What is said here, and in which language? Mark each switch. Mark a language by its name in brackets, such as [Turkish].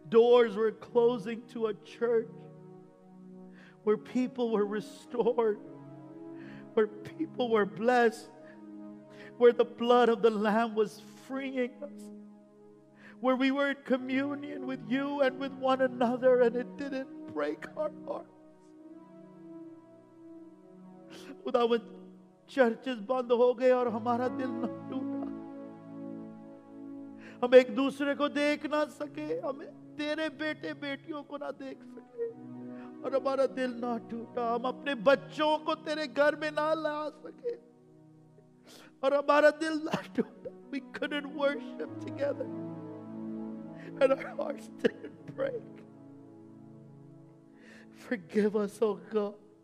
[English] Doors were closing to a church where people were restored, where people were blessed, where the blood of the Lamb was freeing us, where we were in communion with you and with one another, and it didn't break our hearts. [Urdu] Churches بند ہو گئے اور ہمارا دل نہ ٹوٹا, ہم ایک دوسرے کو دیکھ نہ سکے, ہم تیرے بیٹے بیٹیوں کو نہ دیکھ سکے اور ہمارا دل نہ ٹوٹا, ہم اپنے بچوں کو تیرے گھر میں نہ لا سکے اور ہمارا دل نہ ٹوٹا. [English] We couldn't worship together and our hearts didn't break. Forgive us, oh God.